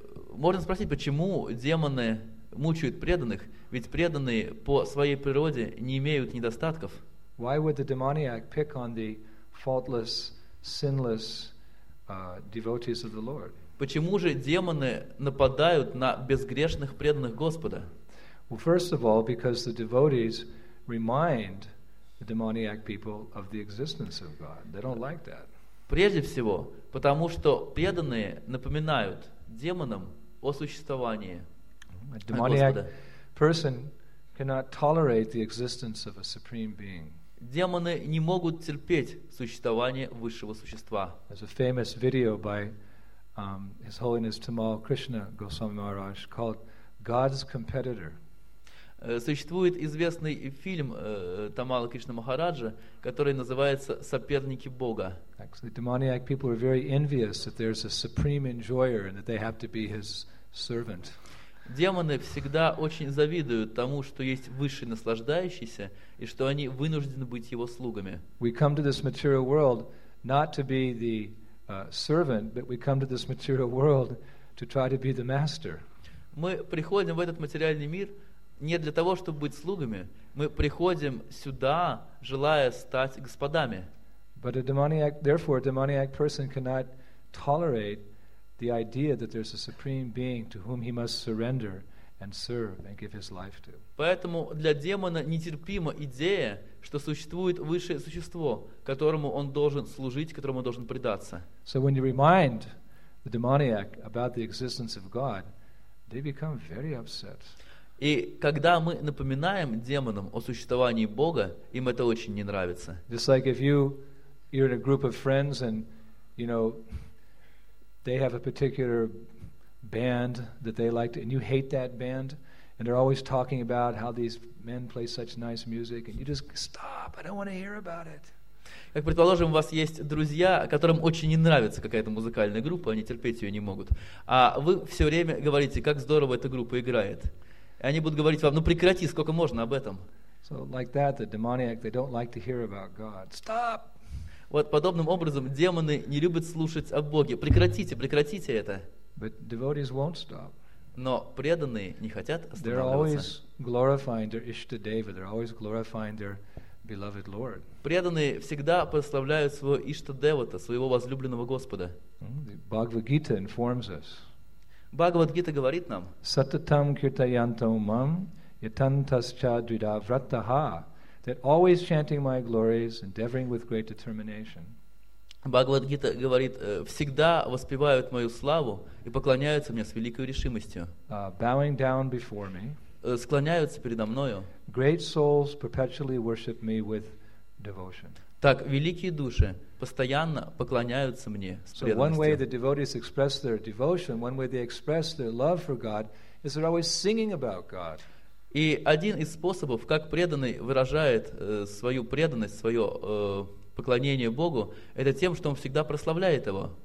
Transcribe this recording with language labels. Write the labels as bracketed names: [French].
[Russian] Можно спросить, почему демоны мучают преданных? Ведь преданные по своей природе не имеют недостатков. [English] Why would the demoniac pick on the faultless, sinless devotees of the Lord? [Russian] Почему же демоны нападают на безгрешных преданных Господа? [English] Well, first of all, because the devotees remind the demoniac people of the existence of God. They don't like that. [Russian] Прежде всего, потому что преданные напоминают демонам о существовании Господа. [English] A demoniac person cannot tolerate the existence of a supreme being. [Russian] Демоны не могут терпеть существование высшего существа. [English] There's a famous video by His Holiness Tamal Krishna Goswami Maharaj called God's Competitor. [Russian] Существует известный фильм Тамала Кришна Махараджа, который называется «Соперники Бога». [English] Actually, demoniac people are very envious that there's a supreme enjoyer and that they have to be his servant. [Russian] Демоны всегда очень завидуют тому, что есть высший наслаждающийся и что они вынуждены быть его слугами. [English] We come to this material world not to be the servant, but we come to this material world to try to be the master. [Russian] Мы приходим в этот материальный мир не для того, чтобы быть слугами. Мы приходим сюда, желая стать господами. [English] But a demoniac, therefore, a demoniac person cannot tolerate the idea that there's a supreme being to whom he must surrender and serve and give his life to. [Russian] Поэтому для демона нетерпима идея, что существует высшее существо, которому он должен служить, которому он должен предаться. [English] So when you remind the demoniac about the existence of God, they become very upset. [Russian] И когда мы напоминаем демонам о существовании Бога, им это очень не нравится. [English] Just like if you're in a group of friends and you know they have a particular band that they like, and you hate that band. And they're always talking about how these men play such nice music, and you just stop. I don't want to hear about it. [Russian] Как предположим, у вас есть друзья, которым очень не нравится какая-то музыкальная группа, они терпеть ее не могут. А вы все время говорите, как здорово эта группа играет. И они будут говорить вам: ну прекрати, сколько можно об этом. [English] So like that, the demoniac, they don't like to hear about God. Stop. [Russian] Вот подобным образом демоны не любят слушать о Боге. Прекратите, прекратите это. [English] But devotees won't stop. [Russian] Но преданные не хотят останавливаться. [English] They're always glorifying their Ishtadeva. They're always glorifying their beloved Lord. [Russian] Преданные всегда прославляют своего Ишта-девата, своего возлюбленного Господа. [English] Бхагавад-гита informs us. [Russian] Бхагавад-гита говорит нам: [Sanskrit] Сататам киртаянтам мам yatantascha drida vrataha, [English] that always chanting my glories, endeavoring with great determination. [Russian] Бхагавад-гита говорит, всегда воспевают мою славу и поклоняются мне с великой решимостью. [English] Bowing down before me. [Russian] Склоняются передо мною. [English] Great souls perpetually worship me with devotion. [Russian] Так великие души постоянно поклоняются мне с преданностью. [English] So one way the devotees express their devotion, one way they express their love for God, is they're always singing about God. [Russian] И один из способов, как преданный выражает свою преданность, свое поклонение Богу, это тем, что он всегда прославляет Его.